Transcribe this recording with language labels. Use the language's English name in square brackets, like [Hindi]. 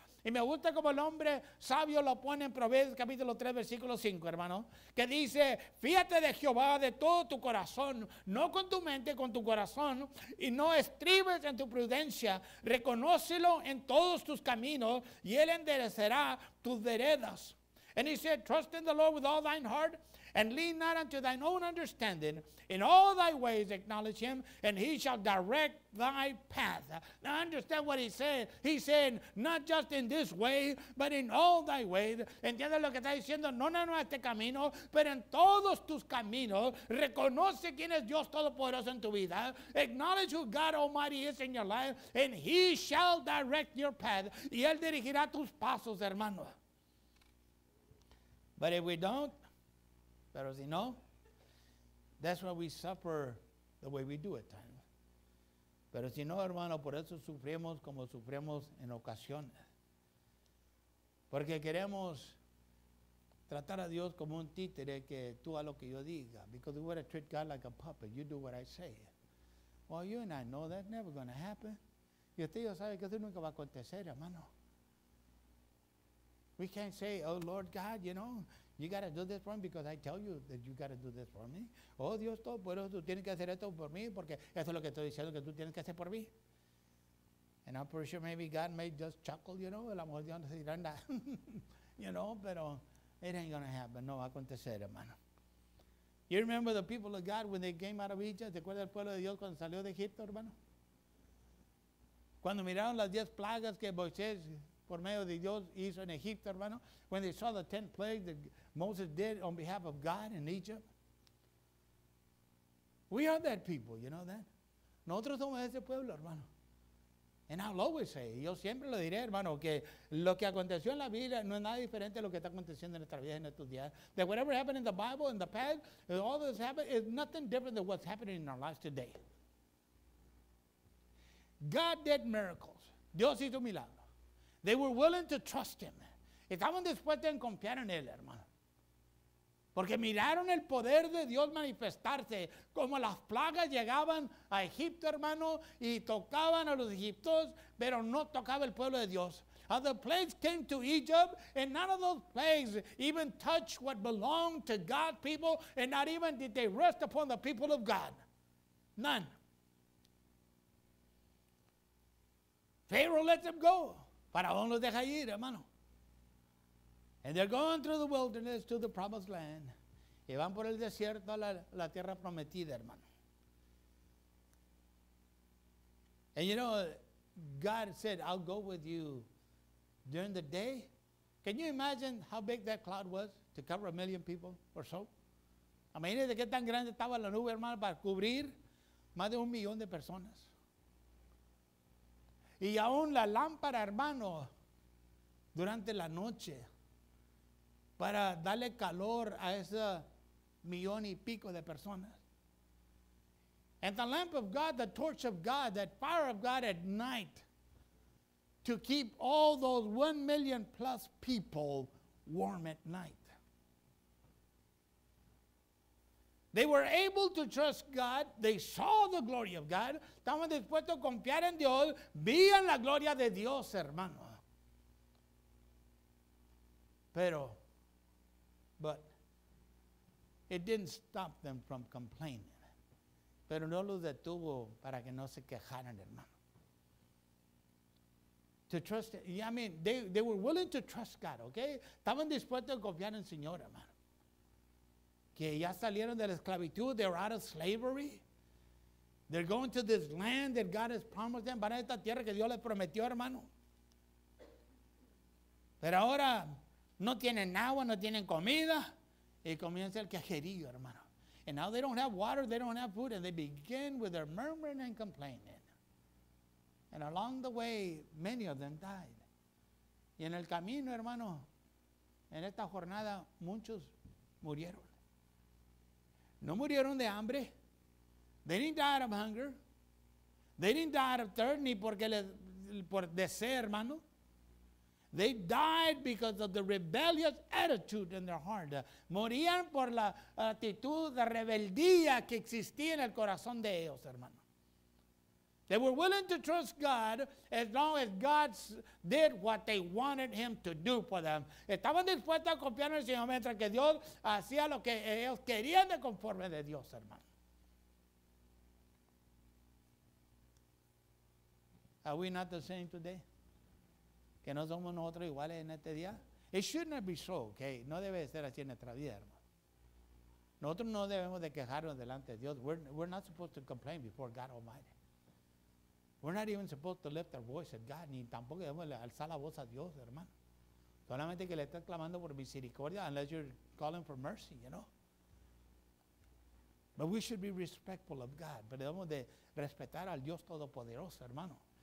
[Spanish] Y me gusta como el hombre sabio lo pone en Proverbios capítulo 3, versículo 5, hermano, que dice, fíjate de Jehová de todo tu corazón, no con tu mente, con tu corazón, y no estribes en tu prudencia, reconócelo en todos tus caminos, y Él enderecerá tus veredas. [English] And he said, trust in the Lord with all thine heart, and lean not unto thine own understanding. In all thy ways acknowledge him, and he shall direct thy path. Now understand what he said. He said, not just in this way, but in all thy ways. [Spanish] Entiende lo que está diciendo. No, no, no, este camino, pero en todos tus caminos. Reconoce quién es Dios Todopoderoso en tu vida. [English] Acknowledge who God Almighty is in your life, and he shall direct your path. [Spanish] Y él dirigirá tus pasos, hermano. [English] But if we don't, [Spanish] pero si no, [English] that's why we suffer the way we do at times. [Spanish] Pero si no, hermano, por eso sufrimos como sufrimos en ocasiones. Porque queremos tratar a Dios como un títere que tú a lo que yo diga. [English] Because we want to treat God like a puppet. You do what I say. Well, you and I know that's never going to happen. [Spanish] Y usted ya sabe que eso nunca va a acontecer, hermano. [English] We can't say, oh, Lord God, you know, you got to do this for me because I tell you that you got to do this for me. [Spanish] Oh, Dios todo, pero tú tienes que hacer esto por mí porque eso es lo que estoy diciendo que tú tienes que hacer por mí. [English] And I'm pretty sure maybe God may just chuckle, you know, [Spanish] la mujer de Dios dirá nada, [English] you know, pero it ain't going to happen. [Spanish] No va a acontecer, hermano. [English] You remember the people of God when they came out of Egypt? [Spanish] ¿Te acuerdas del pueblo de Dios cuando salió de Egipto, hermano? Cuando miraron las 10 plagas que Moisés por medio de Dios hizo en Egipto, hermano. [English] When they saw the 10 plagues that Moses did on behalf of God in Egypt. We are that people, you know that? [Spanish] Nosotros somos ese pueblo, hermano. [English] And I'll always say, [Spanish] yo siempre lo diré, hermano, que lo que aconteció en la vida no es nada diferente a lo que está aconteciendo en nuestra vida en estos días. [English] That whatever happened in the Bible, in the past, all this happened, is nothing different than what's happening in our lives today. God did miracles. [Spanish] Dios hizo milagros. [English] They were willing to trust him. [Spanish] Estaban dispuestos en confiar en él, hermano. Porque miraron el poder de Dios manifestarse. Como las plagas llegaban a Egipto, hermano, y tocaban a los egipcios, pero no tocaba el pueblo de Dios. [English] How the plagues came to Egypt, and none of those plagues even touched what belonged to God's people, and not even did they rest upon the people of God. None. Pharaoh let them go. [Spanish] Faraón los deja ir, hermano. [English] And they're going through the wilderness to the promised land. [Spanish] Y van por el desierto a la tierra prometida, hermano. [English] And you know, God said, I'll go with you during the day. Can you imagine how big that cloud was to cover a million people or so? [Spanish] Imagínate qué tan grande estaba la nube, hermano, para cubrir más de 1,000,000 de personas. Y aún la lámpara, hermano, durante la noche, para darle calor a ese millón y pico de personas. [English] And the lamp of God, the torch of God, that fire of God at night, to keep all those 1,000,000 plus people warm at night. They were able to trust God. They saw the glory of God. [Spanish] Estaban dispuestos a confiar en Dios. Vían la gloria de Dios, hermano. [English] Pero, but, It didn't stop them from complaining. [Spanish] Pero no los detuvo para que no se quejaran, hermano. [English] To trust, I mean, they were willing to trust God, okay? [Spanish] Estaban dispuestos a confiar en el Señor, hermano. Que ya salieron de la esclavitud, [English] they're out of slavery. They're going to this land that God has promised them. [Spanish] Van a esta tierra que Dios les prometió, hermano. Pero ahora no tienen agua, no tienen comida. Y comienza el quejerío, hermano. [English] And now they don't have water, they don't have food. And they begin with their murmuring and complaining. And along the way, many of them died. [Spanish] Y en el camino, hermano, en esta jornada, muchos murieron. No murieron de hambre. [English] They didn't die of hunger. They didn't die of thirst, [Spanish] ni porque por deseo, hermano. [English] They died because of the rebellious attitude in their heart. [Spanish] Morían por la actitud de rebeldía que existía en el corazón de ellos, hermano. [English] They were willing to trust God as long as God did what they wanted him to do for them. [Spanish] Estaban dispuestos a confiar en el Señor mientras que Dios hacía lo que ellos querían de conforme de Dios, hermano. [English] Are we not the same today? [Spanish] ¿Que no somos nosotros iguales en este día? [English] It should not be so, okay? [Spanish] No debe ser así en nuestra vida, hermano. Nosotros no debemos de quejarnos delante de Dios. [English] We're not supposed to complain before God Almighty. We're not even supposed to lift our voice at God, [Spanish] ni tampoco debemos alzar la voz a Dios, hermano. Solamente que le estás clamando por misericordia, [English] unless you're calling for mercy, you know? But we should be respectful of God. [Spanish] Pero debemos de respetar al Dios Todopoderoso, hermano.